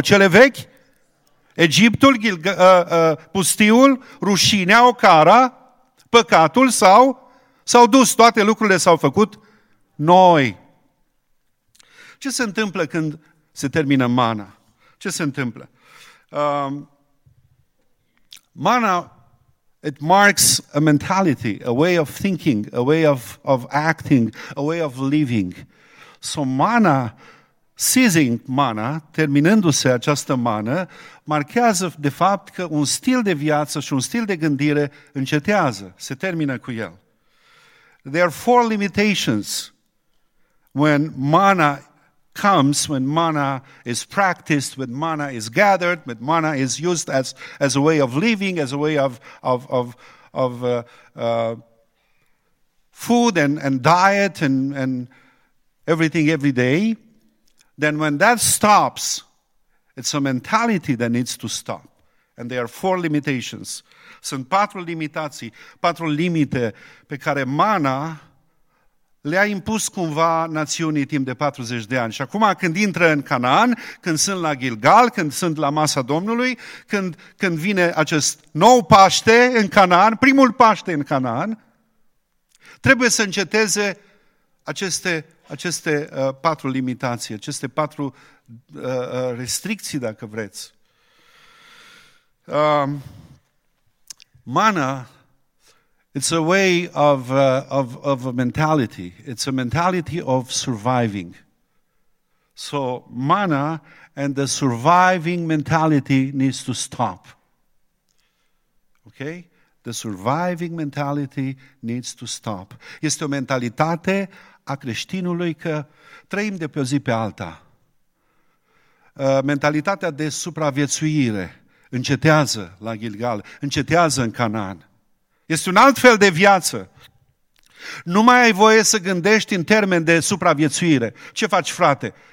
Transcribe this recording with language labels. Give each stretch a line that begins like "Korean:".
Romanian: Cele vechi, Egiptul, pustiul, rușinea, ocara, păcatul s-au dus, toate lucrurile s-au făcut noi. Ce se întâmplă când se termină mana? Ce se întâmplă?
English: Mana, it marks a mentality, a way of thinking, a way of acting, a way of living. So mana, seizing mana,
Romanian: terminându-se această mană, marchează de fapt că un stil de viață și un stil de gândire încetează, se termină cu el.
English: There are four limitations when mana comes, when mana is practiced, when mana is gathered, when mana is used as a way of living, as a way of food and diet and everything every day. Then when that stops, it's a mentality that needs to stop. And there are four limitations.
Romanian: Sunt patru limitații, patru limite pe care mana le-a impus cumva națiunii timp de 40 de ani. Și acum când intră în Canaan, când sunt la Gilgal, când sunt la masa Domnului, când vine acest nou Paște în Canaan, primul Paște în Canaan, trebuie să înceteze aceste patru limitații, aceste patru restricții, dacă vreți.
English: Mana, it's a way of a mentality. It's a mentality of surviving. So mana and the surviving mentality needs to stop. Okay? The surviving mentality needs to stop.
Romanian: Este o mentalitate a creștinului că trăim de pe o zi pe alta. Mentalitatea de supraviețuire. Încetează la Gilgal, încetează în Canaan. Este un alt fel de viață. Nu mai ai voie să gândești în termeni de supraviețuire. Ce faci, frate?